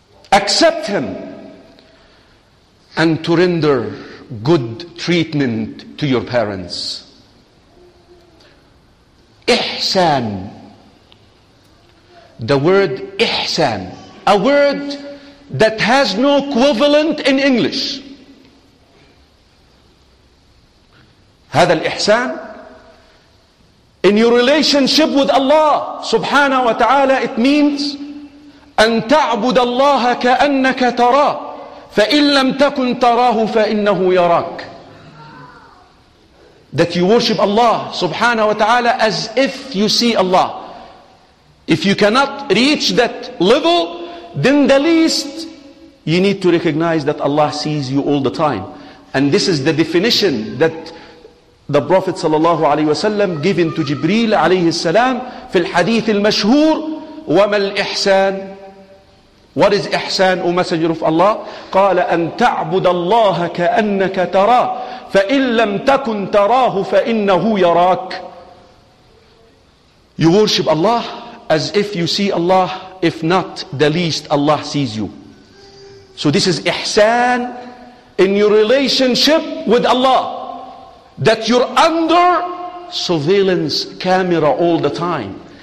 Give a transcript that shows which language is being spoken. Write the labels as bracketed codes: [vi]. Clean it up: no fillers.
[en] Accept him and to render good treatment to your parents. Ihsan. The word ihsan, a word that has no equivalent in English. [ar] هذا الإحسان, [en] in your relationship with Allah [ar] سبحانه وتعالى, [en] it means [ar] أن تعبد الله كأنك تراه فإن لم تكن تراه فإنه يراك. [en] That you worship Allah subhanahu wa ta'ala as if you see Allah. If you cannot reach that level, then the least you need to recognize that Allah sees you all the time. And this is the definition that the Prophet sallallahu alayhi wa sallam given to Jibreel alayhi salam [ar] في الحديث المشهور وما الإحسان. [en] What is إحسان, O Messenger of Allah? [ar] قال أن تعبد الله كأنك تراه فإن لم تكن تراه فإنه يراك. [en] You worship Allah as if you see Allah, if not the least Allah sees you. So this is إحسان in your relationship with Allah, that you're under surveillance camera all the time.